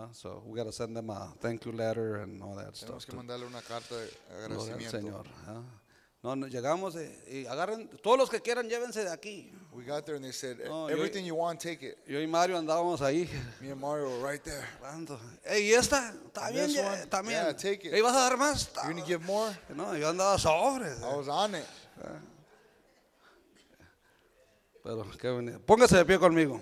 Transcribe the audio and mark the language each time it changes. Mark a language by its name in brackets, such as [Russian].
[English] So we got to send them a thank you letter and all that [Spanish] tenemos [English] stuff. [Spanish] Tenemos que mandarle una carta de agradecimiento. Gloria al Señor. Llegamos y agarren todos los que quieran, llévense de aquí. [English] We got there and they said, everything you want, take it. [Spanish] Yo y Mario andábamos ahí. [English] Me and Mario were right there. [Spanish] ¿Y esta? También. [English] Yeah, take it. [Spanish] ¿Y vas a dar más? [English] You're going to give more? [Spanish] No, yo andaba sobre. [English] I was on it. [Spanish] Pero qué bonito. Póngase de pie conmigo.